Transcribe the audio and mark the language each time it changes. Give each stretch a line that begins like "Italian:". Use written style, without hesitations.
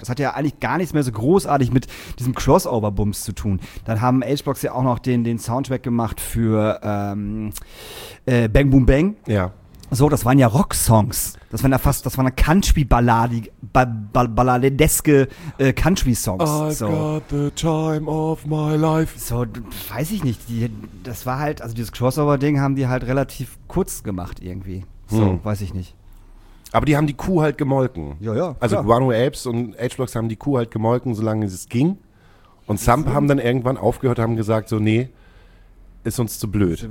German: Das hat ja eigentlich gar nichts mehr so großartig mit diesem Crossover-Bums zu tun. Dann haben H-Blocks ja auch noch den Soundtrack gemacht für Bang Boom Bang. Ja. So, das waren ja Rock-Songs. Das waren ja fast, das waren Country-Balladeske Country-Songs.
English: I've got the time of my life.
German: So, weiß ich nicht. Das war halt, also dieses Crossover-Ding haben die halt relativ kurz gemacht irgendwie. So, weiß ich nicht. Aber die haben die Kuh halt gemolken. Ja, ja. Also Guano Apes und H-Blocks haben die Kuh halt gemolken, solange es ging. Und Thump haben dann irgendwann aufgehört, haben gesagt so, nee, ist uns zu blöd.